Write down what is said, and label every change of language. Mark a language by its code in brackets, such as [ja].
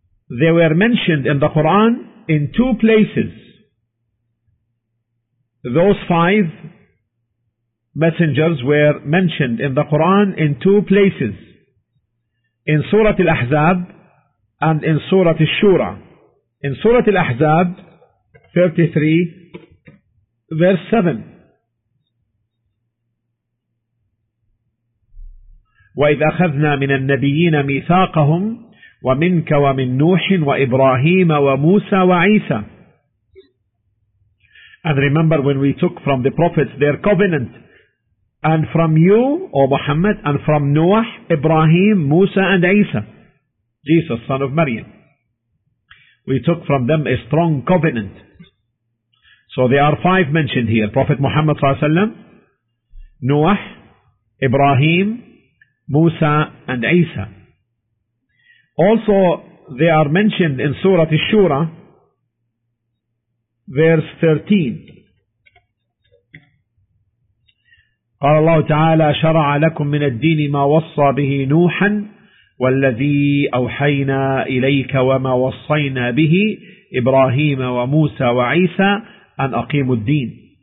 [en] They were mentioned in the Quran in two places. Those five messengers were mentioned in the Quran in two places, in Surah Al-Ahzab and in Surah Al-Shura. In Surah Al-Ahzab 33 verse 7, [ar] وَإِذْ أَخَذْنَا مِنَ النَّبِيِّينَ مِيثَاقَهُمْ وَمِنْكَ وَمِنْ نُوحٍ وَإِبْرَاهِيمَ وَمُوسَى وَعِيسَى. [en] And remember when we took from the prophets their covenant, and from you, O Muhammad, and from Noah, Ibrahim, Musa, and Isa, Jesus, son of Maryam. We took from them a strong covenant. So there are five mentioned here. Prophet Muhammad sallallahu alayhi wa sallam, Noah, Ibrahim, Musa, and Isa. Also, they are mentioned in Surah Ash-Shura, verse 13. [ar] قال الله تعالى شرع لكم من الدين ما وصى به نوحا والذي أوحينا إليك وما وصينا به إبراهيم وموسى وعيسى أن أقيموا الدين.